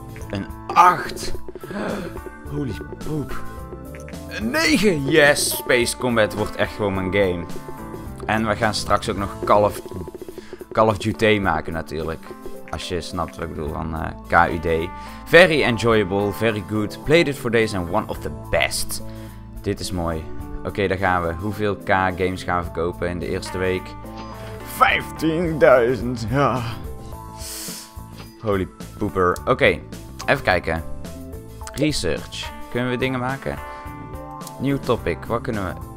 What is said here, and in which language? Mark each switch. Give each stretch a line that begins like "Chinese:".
Dutch: Een 8. Holy poop. 9! Yes! Space Combat wordt echt gewoon mijn game. En we gaan straks ook nog Call of Duty maken natuurlijk. Als je snapt wat ik bedoel van KUD.
English: Very enjoyable, very good. Played it for days and one of the best.
Dutch: Dit is mooi. Oké, daar gaan we. Hoeveel K games gaan we verkopen in de eerste week? 15.000! Ja. Holy pooper. Oké, even kijken. Research. Kunnen we dingen maken? Nieuw topic, wat kunnen we?